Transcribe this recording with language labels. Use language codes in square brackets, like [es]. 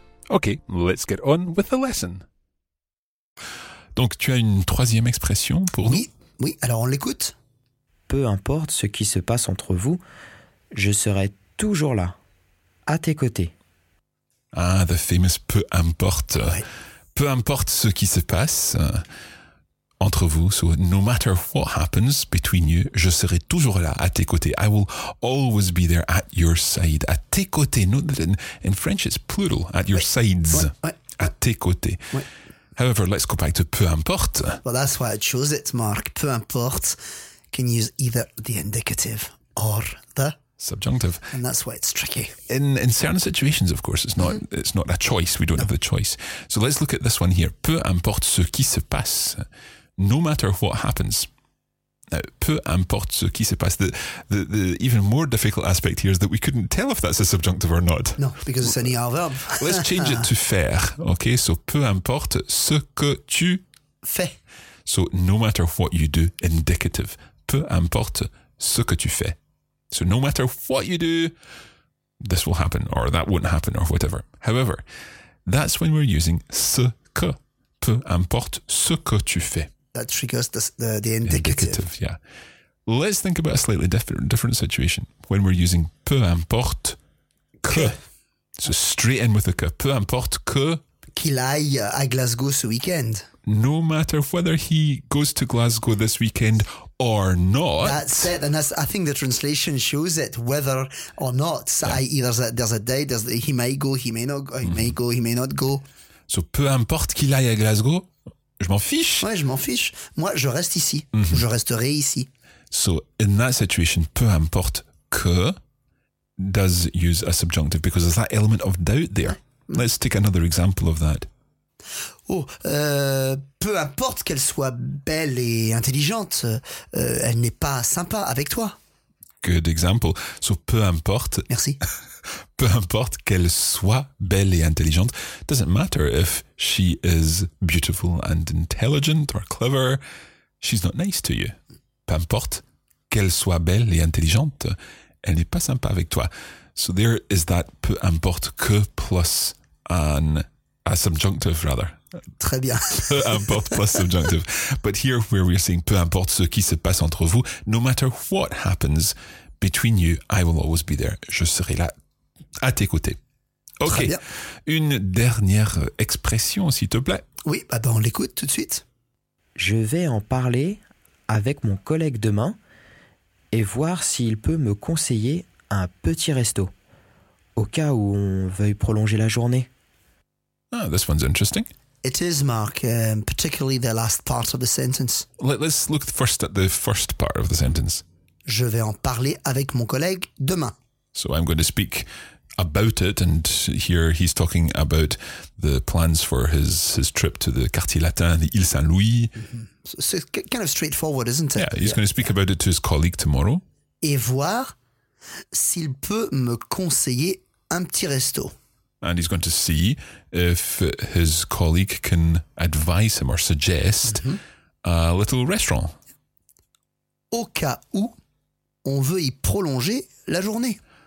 [en] Okay, let's get on with the lesson. [fr] Donc, tu as une troisième expression pour nous? Oui, alors on l'écoute. Peu importe ce qui se passe entre vous, je serai toujours là, à tes côtés. [en] Ah, the famous peu importe. [fr] Ouais. Peu importe ce qui se passe entre vous, [en] so no matter what happens between you, [fr] je serai toujours là, à tes côtés. [en] I will always be there at your side. [fr] À tes côtés. [en] Note that in French it's plural, at your sides. [fr] Ouais. À tes côtés. Ouais. [en] However, let's go back to peu importe. Well, that's why I chose it, Mark. Peu importe can use either the indicative or the subjunctive. And that's why it's tricky. In certain situations, of course, it's not a choice. We don't have the choice. So let's look at this one here. [fr] Peu importe ce qui se passe. [en] No matter what happens. [fr] Now, peu importe ce qui se passe. [en] The even more difficult aspect here is that we couldn't tell if that's a subjunctive or not. No, because it's an ER verb. Let's change it to faire. [fr] Okay, so peu importe ce que tu fais. [en] So no matter what you do, indicative. [fr] Peu importe ce que tu fais. [en] So no matter what you do, this will happen or that won't happen or whatever. However, that's when we're using ce que. [fr] Peu importe ce que tu fais. [en] that triggers the indicative. Yeah. Let's think about a slightly different situation when we're using peu importe que. So straight in with the que. [fr] Peu importe que. Qu'il aille à Glasgow ce weekend. [en] No matter whether he goes to Glasgow this weekend or not. That's it. And that's, I think the translation shows it, whether or not. Yeah. I.e. there's a day, he may go, he may not go, he may not go. [fr] So peu importe qu'il aille à Glasgow, je m'en fiche. Ouais, je m'en fiche. Moi, je reste ici. Mm-hmm. Je resterai ici. [en] So in that situation, peu importe que does use a subjunctive because there's that element of doubt there. Let's take another example of that. [fr] Oh, peu importe qu'elle soit belle et intelligente, elle n'est pas sympa avec toi. [en] Good example. So peu importe. [fr] Merci. Peu importe qu'elle soit belle et intelligente. [en] Doesn't matter if she is beautiful and intelligent or clever. She's not nice to you. [fr] Peu importe qu'elle soit belle et intelligente. Elle n'est pas sympa avec toi. [en] So there is that peu importe que plus a subjunctive rather. [fr] Très bien. [en] Peu importe plus subjunctive. But here where we're saying peu importe ce qui se passe entre vous, no matter what happens between you, I will always be there. [fr] Je serai là à tes côtés. Ok. Très bien. Une dernière expression, s'il te plaît. Oui, bah ben on l'écoute tout de suite. Je vais en parler avec mon collègue demain et voir s'il peut me conseiller un petit resto, au cas où on veuille prolonger la journée. [en] Ah, this one's interesting. It is, Mark, particularly the last part of the sentence. Let's look first at the first part of the sentence. [fr] Je vais en parler avec mon collègue demain. [en] So I'm going to speak about it, and here he's talking about the plans for his trip to the Quartier Latin, the Île Saint-Louis. Mm-hmm. So it's kind of straightforward, isn't it? Yeah, he's going to speak about it to his colleague tomorrow. [fr] Et voir s'il peut me conseiller un petit resto. [en] And he's going to see if his colleague can advise him or suggest a little restaurant. [fr] Au cas où on veut y prolonger la journée.